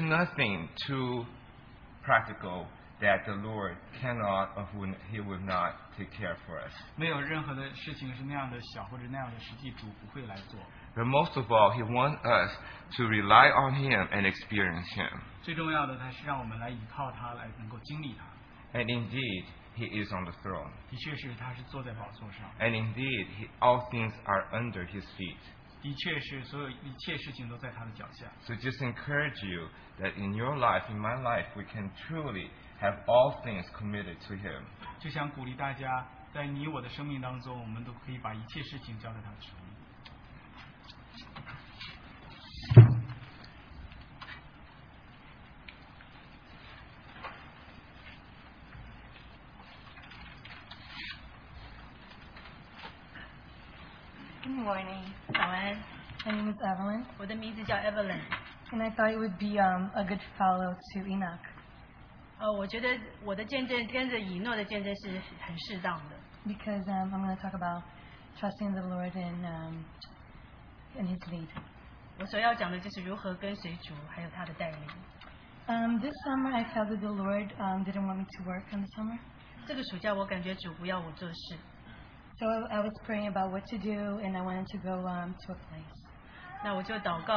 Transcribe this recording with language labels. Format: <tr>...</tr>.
<en>nothing too practical that the Lord cannot of whom he will not take care for us.</en> <zh>没有任何的事情是那样的小或者那样的实际主不会来做。</zh> <en>But most of all, he wants us to rely on him and experience him.</en> <zh>最重要的他是让我们来依靠他来能够经历他。</zh> <en>And indeed, he is on the throne.</en> <zh>的确是他是坐在宝座上。</zh> <en>And indeed, all things are under his feet.</en> <zh>的确是所有一切事情都在他的脚下。</zh> <en>So just encourage you that in your life, in my life, we can truly have all things committed to him.</en> <zh>就想鼓励大家, 在你我的生命当中, 我们都可以把一切事情交在他的手里。</zh> <en>Good morning. My name is Evelyn.</en> <zh>我的名字叫 Evelyn.</zh> <en>And I thought it would be a good follow to Enoch.</en> <zh>我觉得我的见证跟着以诺的见证是很适当的。Because</zh> <en>I'm going to talk about trusting the Lord in His lead.</en> <zh>我所要讲的就是如何跟随主，还有他的带领。This</zh> <en>summer I felt that the Lord didn't want me to work in the summer.</en> <zh>这个暑假我感觉主不要我做事。So</zh> <en>I was praying about what to do, and I wanted to go to a place.</en>